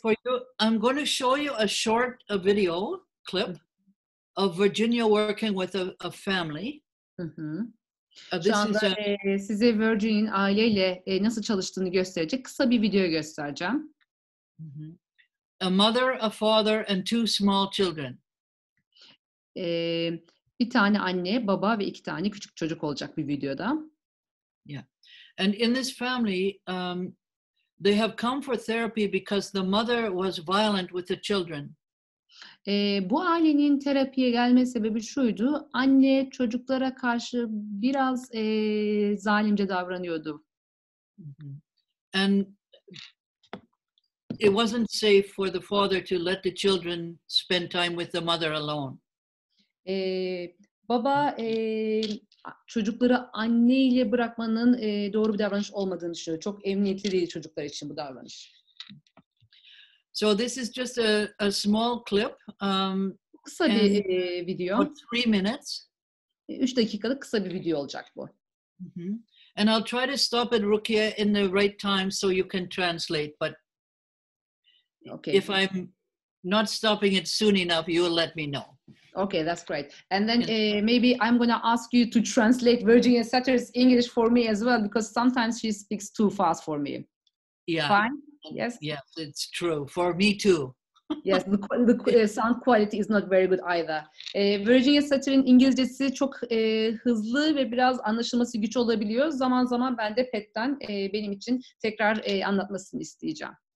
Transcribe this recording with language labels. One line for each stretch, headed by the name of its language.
English: For you, I'm gonna show you a short a video clip of Virginia working with a family.
Turkish: Şu anda size Virginia'nın aileyle nasıl çalıştığını gösterecek kısa bir video göstereceğim.
English: A mother, a father, and two small children.
Turkish: Bir tane anne, baba ve iki tane küçük çocuk olacak bir videoda.
English: Yeah. And in this family, they have come for therapy because the mother was violent with the children.
Turkish: Bu ailenin terapiye gelme sebebi şuydu. Anne çocuklara karşı biraz zalimce davranıyordu.
English: And it wasn't safe for the father to let the children spend time with the mother alone.
Turkish: Baba çocukları anneyle bırakmanın doğru bir davranış olmadığını düşünüyor. Çok emniyetli değil çocuklar için bu davranış.
English: So this is just a small clip.
Turkish: Kısa bir video.
English: For 3 minutes.
Turkish: 3 dakikalık kısa bir video olacak bu.
English: And I'll try to stop at Rukiye in the right time so you can translate. But okay. If I'm not stopping it soon enough, you'll let me know. Okay, that's great. And then maybe I'm going to ask you to translate Virginia Satir's English for me as well, because sometimes she speaks too fast for me. Yeah. Fine? Yes? Yes, it's true. For me too. Yes, the sound quality is not very good either.
Turkish: Virginia Satir'in İngilizcesi çok hızlı ve biraz anlaşılması güç olabiliyor. Zaman zaman ben de Pet'ten benim için tekrar anlatmasını isteyeceğim.